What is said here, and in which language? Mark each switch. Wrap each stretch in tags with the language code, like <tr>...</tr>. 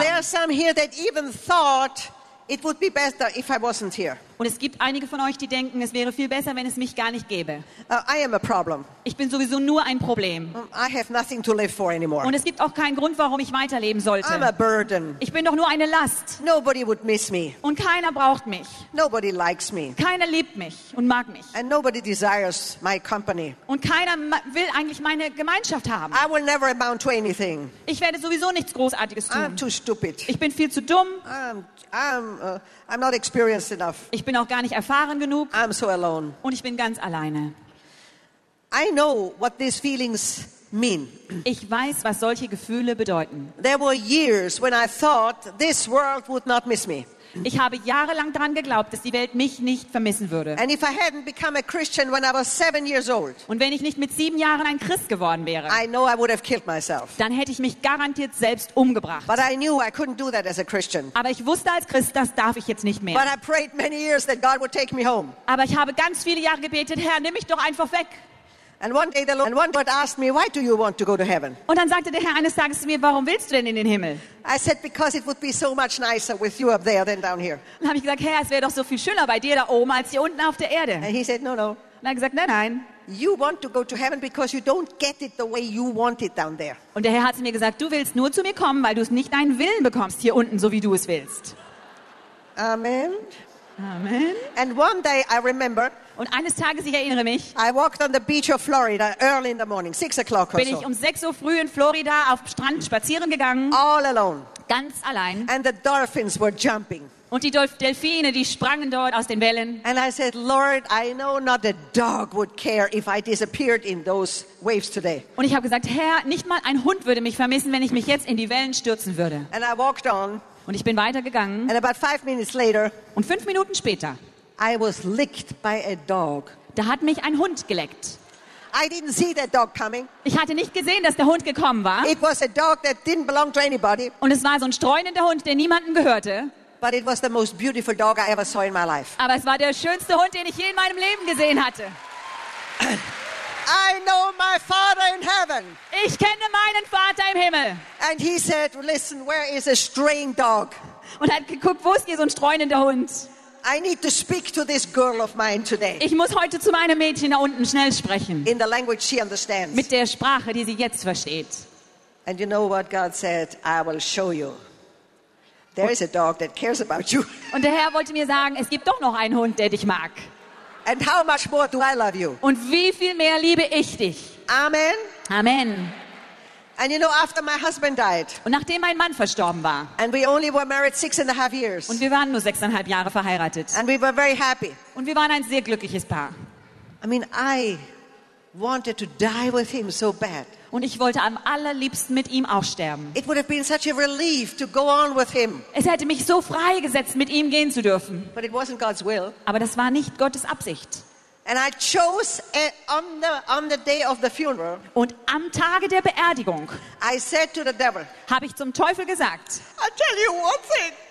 <en>There are some here that even thought it would be better if I wasn't here.</en> <de>Und es gibt einige von euch, die denken, es wäre viel besser, wenn es mich gar nicht gäbe.</de> <en>I am a problem.</en> <de>Ich bin sowieso nur ein Problem.</de> <en>I have nothing to live for anymore.</en> <de>Und es gibt auch keinen Grund, warum ich weiterleben sollte.</de> <en>I'm a burden.</en> <de>Ich bin doch nur eine Last.</de> <en>Nobody would miss me.</en> <de>Und keiner braucht mich.</de> <en>Nobody likes me.</en> <de>Keiner liebt mich und mag mich.</de> <en>And nobody desires my company.</en> <de>Und keiner will eigentlich meine Gemeinschaft haben.</de> <en>I will never amount to anything.</en> <de>Ich werde sowieso nichts Großartiges tun.</de> <en>I'm too stupid.</en> <de>Ich bin viel zu dumm.</de> <en>I'm not experienced enough.</en> <de>Ich bin auch gar nicht erfahren genug.</de> <en>I'm so alone.</en> <de>Und ich bin ganz alleine.</de> <en>I know what these feelings mean.</en> <de>Ich weiß, was solche Gefühle bedeuten.</de> <en>There were years when I thought this world would not miss me.</en> <de>Ich habe jahrelang daran geglaubt, dass die Welt mich nicht vermissen würde.</de> <en>And if I hadn't become a Christian when I was 7 years old.</en> <de>Und wenn ich nicht mit 7 Jahren ein Christ geworden wäre.</de> <en>I know I would have killed myself.</en> <de>Dann hätte ich mich garantiert selbst umgebracht.</de> <en>But I knew I couldn't do that as a Christian.</en> <de>Aber ich wusste als Christ, das darf ich jetzt nicht mehr.</de> <en>But I prayed many years that God would take me home.</en> <de>Aber ich habe ganz viele Jahre gebetet, Herr, nimm mich doch einfach weg.</de> <en>And one day the Lord asked me, why do you want to go to heaven?</en> <de>Und dann sagte der Herr eines Tages zu mir, warum willst du denn in den Himmel?</de> <en>I said, because it would be so much nicer with you up there than down here.</en> <de>Dann habe ich gesagt, Herr, es wäre doch so viel schöner bei dir da oben als hier unten auf der Erde.</de> <en>And he said, no.</en> <de>Und er hat gesagt, nein.</de> <en>You want to go to heaven because you don't get it the way you want it down there.</en> <de>Und der Herr hat zu mir gesagt, du willst nur zu mir kommen, weil du es nicht deinen Willen bekommst hier unten, so wie du es willst.</de> <en>Amen.</en> <de>Amen.</de> <en>And one day I remember.</en> <de>Und eines Tages, ich erinnere mich,</de> <en>I walked on the beach of Florida early in the morning, 6 o'clock or</en> <de>so. Bin ich um 6 Uhr früh in Florida auf Strand spazieren gegangen.</de> <en>All alone.</en> <de>Ganz allein.</de> <en>And the dolphins were jumping.</en> <de>Und die Delfine, die sprangen dort aus den Wellen.</de> <en>And I said, Lord, I know not a dog would care if I disappeared in those waves today.</en> <de>Und ich habe gesagt, Herr, nicht mal ein Hund würde mich vermissen, wenn ich mich jetzt in die Wellen stürzen würde.</de> <en>And I walked on.</en> <de>Und ich bin weitergegangen.</de> <en>And about 5 minutes later.</en> <de>Und 5 Minuten später.</de> <en>I was licked by a dog.</en> <de>Da hat mich ein Hund geleckt.</de> <en>I didn't see that dog coming.</en> <de>Ich hatte nicht gesehen, dass der Hund gekommen war.</de> <en>It was a dog that didn't belong to anybody.</en> <de>Und es war so ein streunender Hund, der niemandem gehörte.</de> <en>But it was the most beautiful dog I ever saw in my life.</en> <de>Aber es war der schönste Hund, den ich je in meinem Leben gesehen hatte.</de> <en>I know my Father in heaven.</en> <de>Ich kenne meinen Vater im Himmel.</de> <en>And he said, "Listen, where is a straying dog?"</en> <de>Und hat geguckt, wo ist hier so ein streunender Hund?</de> <en>I need to speak to this girl of mine today.</en> <de>Ich muss heute zu meinem Mädchen da unten schnell sprechen.</de> <en>In the language she understands.</en> <de>Mit der Sprache, die sie jetzt versteht.</de> <en>And you know what God said? I will show you. There is a dog that cares about you.</en> <de>Und der Herr wollte mir sagen, es gibt doch noch einen Hund, der dich mag.</de> <en>And how much more do I love you?</en> <de>Und wie viel mehr liebe ich dich?</de> <en>Amen.</en> <de>Amen.</de> <en>And you know, after my husband died.</en> <de>Und nachdem mein Mann verstorben war.</de> <en>And we only were married 6.5 years.</en> <de>Und wir waren nur 6.5 Jahre verheiratet.</de> <en>And we were very happy.</en> <de>Und wir waren ein sehr glückliches Paar.</de> <en>I mean, I wanted to die with him so bad.</en> <de>Und ich wollte am allerliebsten mit ihm auch sterben.</de> <en>It would have been such a relief to go on with him.</en> <de>Es hätte mich so freigesetzt, mit ihm gehen zu dürfen.</de> <en>But it wasn't God's will.</en> <de>Aber das war nicht Gottes Absicht.</de> <en>And I chose on the day of the funeral.</en> <de>Und am Tage der Beerdigung.</de> <en>I said to the devil.</en> <de>Habe ich zum Teufel gesagt.</de> <en>I'll tell you one thing.</en>